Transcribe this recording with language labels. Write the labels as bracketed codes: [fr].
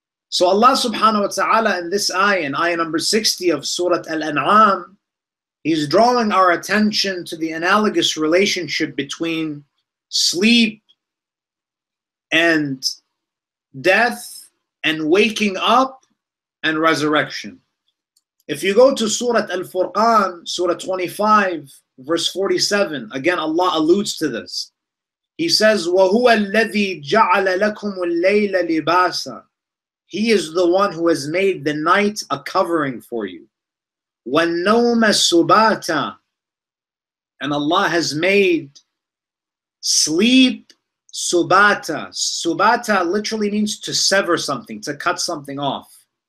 [en] So Allah subhanahu wa ta'ala in this ayah, in ayah number 60 of Surah Al-An'am, He's drawing our attention to the analogous relationship between sleep and death and waking up and resurrection. If you go to Surah Al-Furqan, Surah 25, verse 47, again Allah alludes to this. He says, [ar] وَهُوَ الَّذِي جَعَلَ لَكُمُ اللَّيْلَ لِبَاسًا. [en] He is the one who has made the night a covering for you. [ar] وَالنَّوْمَ السُّبَاتَ. [en] And Allah has made sleep subata. Subata literally means to sever something, to cut something off.